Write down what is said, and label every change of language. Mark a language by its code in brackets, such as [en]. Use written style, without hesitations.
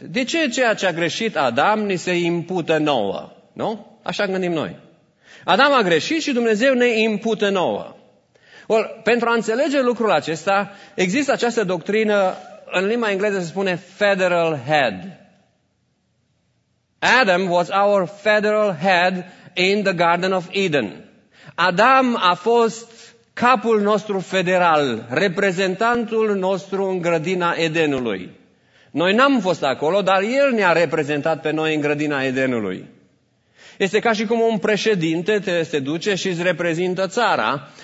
[ro] De ce ceea ce a greșit Adam ni se impută nouă? Nu? Așa gândim noi. Adam a greșit și Dumnezeu ne impută nouă. Or, pentru a înțelege lucrul acesta, există această doctrină, în limba engleză se spune federal head. [en] Adam was our federal head in the Garden of Eden. [ro] Adam a fost capul nostru federal, reprezentantul nostru în grădina Edenului. Noi n-am fost acolo, dar el ne-a reprezentat pe noi în grădina Edenului. Este ca și cum un președinte se duce și îți reprezintă țara.